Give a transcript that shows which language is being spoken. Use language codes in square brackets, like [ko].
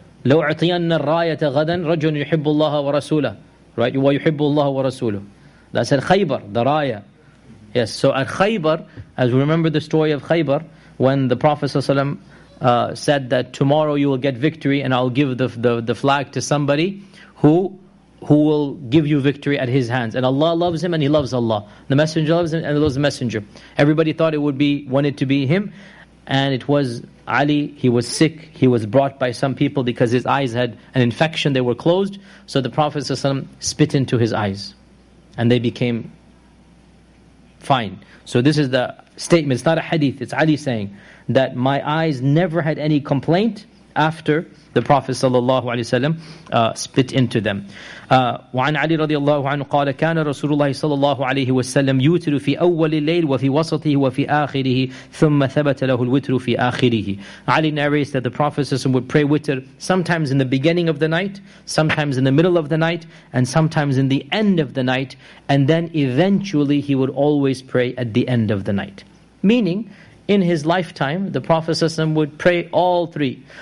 [ar] لو اعطينا الراية غدا رجل يحب الله ورسوله. [en] Right? [ar] ويحب الله ورسوله. [en] That's at Khaybar, the Raya. Yes, so at Khaybar, as we remember the story of Khaybar, when the Prophet ﷺ said that tomorrow you will get victory and I'll give the flag to somebody who will give you victory at his hands. And Allah loves him and he loves Allah. The Messenger loves him and he loves the Messenger. Everybody thought it would be, wanted to be him. And it was Ali, he was sick. He was brought by some people because his eyes had an infection. They were closed. So the Prophet ﷺ spit into his eyes. And they became fine. So this is the statement. It's not a hadith. It's Ali saying that my eyes never had any complaint after the Prophet sallallahu alaihi wasallam spit into them. [ar] وعن علي رضي الله عنه قال كان رسول الله صلى الله عليه وسلم يوتر في أول الليل وفي وسطه وفي آخره ثم ثبت له الوتر في آخره. [en] Ali narrates that the Prophet would pray witr sometimes in the beginning of the night, sometimes in the middle of the night, and sometimes in the end of the night, and then eventually he would always pray at the end of the night. Meaning, in his lifetime, the Prophet ﷺ would pray all three.